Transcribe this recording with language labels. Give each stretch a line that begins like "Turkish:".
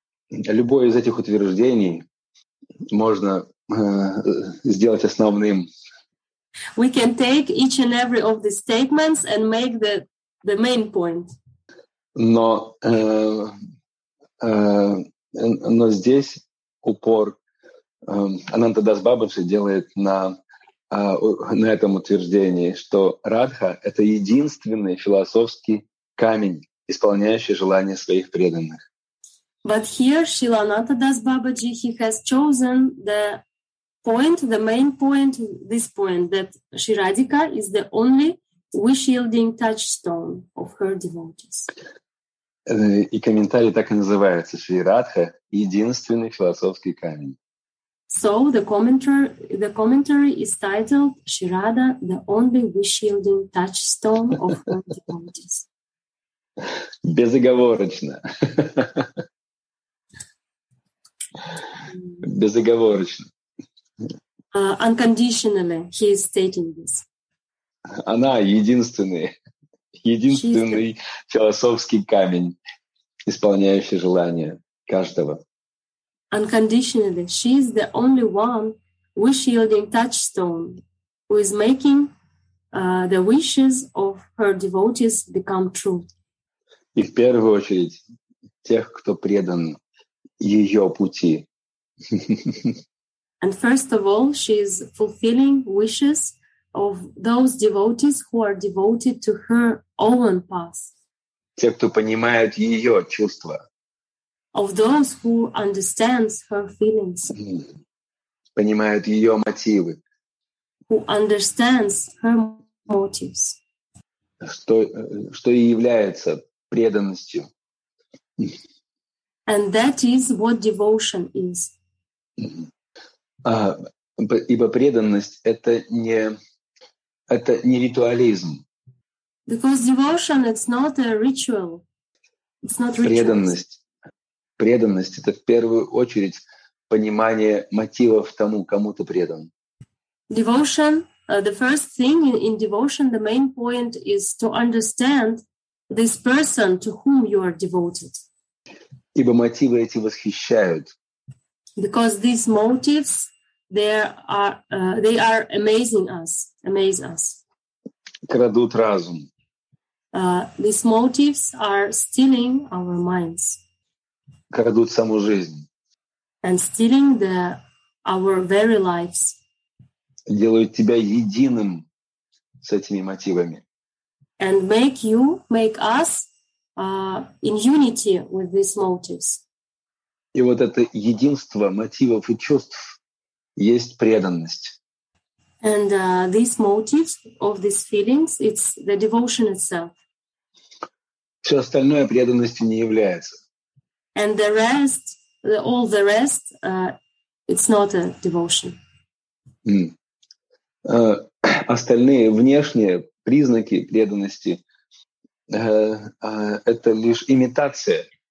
Russian: Любой из этих утверждений можно сделать основным.
English: We can take each and every of the statements and make the main point.
Russian: Но здесь упор Ананта Дас Бабаджи делает на этом утверждении, что Радха — это единственный философский камень, исполняющий желания своих преданных.
English: But here Srila Ananta Das Babaji, he has chosen the point, the main point, this point, that Sri Radhika is the only wish-yielding touchstone of her devotees.
Russian: И комментарий так и называется: Шри Радха — единственный философский камень.
English: So the commentary is titled Shri Radha, the only wish-yielding touchstone of her devotees.
Russian: Безоговорочно. Безоговорочно.
English: Unconditionally, he is stating this.
Russian: Она единственный философский камень, исполняющий желания каждого.
English: Unconditionally, she is the only one wish-yielding touchstone who is making the wishes of her devotees become true.
Russian: И в первую очередь тех, кто предан ее пути.
English: And first of all, she is fulfilling wishes of those devotees who are devoted to her own path.
Russian: Те, кто понимают ее чувства.
English: Of those who understand her feelings.
Russian: Понимают ее мотивы.
English: Who understands her motives.
Russian: Что и является преданностью.
English: And that is what devotion is.
Russian: Ибо преданность — это не ритуализм.
English: Because devotion — it's not a ritual. It's not ritual.
Russian: Преданность — это в первую очередь понимание мотивов тому, кому ты предан.
English: Devotion — the first thing in devotion, the main point is to understand this person to whom you are devoted.
Russian: Ибо мотивы эти восхищают.
English: Because these motives they are amaze us.
Russian: Крадут разум.
English: These motives are stealing our minds.
Russian: Крадут саму жизнь.
English: And stealing our very lives.
Russian: Делают тебя единым с этими мотивами.
English: And make us in unity with these motives.
Russian: И вот это единство мотивов и чувств есть преданность.
English: And these motives of these feelings, it's the devotion itself.
Russian: Все остальное преданностью не является.
English: And the rest, all the rest, it's not a devotion.
Russian: Остальные внешние признаки преданности это лишь имитация.